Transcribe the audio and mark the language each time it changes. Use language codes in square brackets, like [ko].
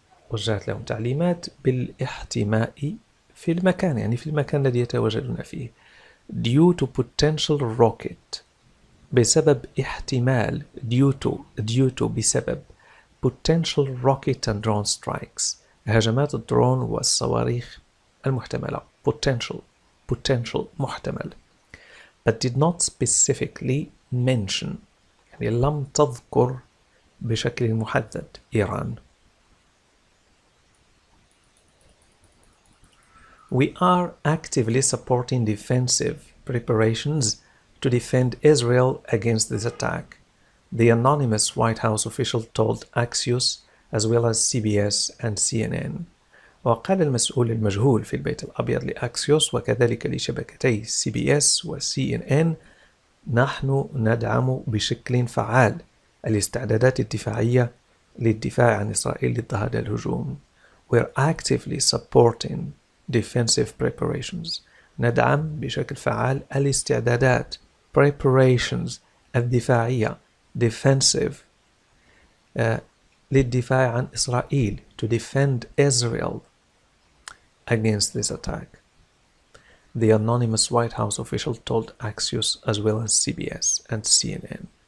[ar] وجهت لهم تعليمات بالاحتماء في المكان يعني في المكان الذي يتواجدون فيه [en] due to potential rocket [ar] بسبب احتمال [en] due to [ar] بسبب [en] potential rocket and drone strikes [ar] هجمات الدرون والصواريخ المحتملة potential محتمل [en] but did not specifically mention [ar] يعني لم تذكر بشكل محدد إيران. [en] We are actively supporting defensive preparations to defend Israel against this attack, the anonymous White House official told Axios as well as CBS and CNN. [ar] وقال المسؤول المجهول في البيت الأبيض لأكسيوس وكذلك لشبكتي CBS وCNN نحن ندعم بشكل فعال الاستعدادات الدفاعية للدفاع عن إسرائيل ضد هذا الهجوم. [en] We are actively supporting defensive preparations. [ar] ندعم بشكل فعال الاستعدادات [en] preparations [ar] الدفاعية [en] defensive [ar] للدفاع عن إسرائيل [en] to defend Israel against this attack. The anonymous White House official told Axios as well as CBS and CNN.